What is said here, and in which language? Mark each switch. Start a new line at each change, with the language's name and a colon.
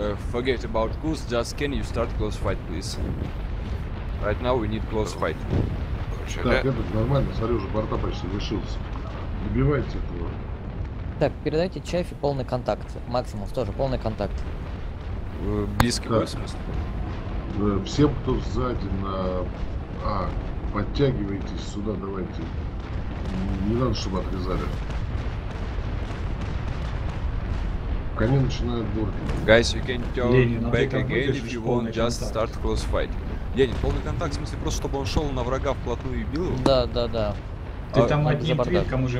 English: Forget about Kuz, just can you start close fight, please? Right now we need close fight.
Russian: Так, этот нормально, смотри, уже борта почти лишился. Добивайте этого. Так, передайте Чайфе полный контакт. Максимус тоже полный контакт. Близкий космос. Всем, кто сзади на... А, подтягивайтесь сюда, давайте. Не надо, чтобы отрезали. Кони начинают бурлить.
English: Guys, you can turn back again if you want, just start close fight.
Russian: Ленин, полный контакт, в смысле просто, чтобы он шел на врага вплотную и бил его? Да. Ты там одним твинком уже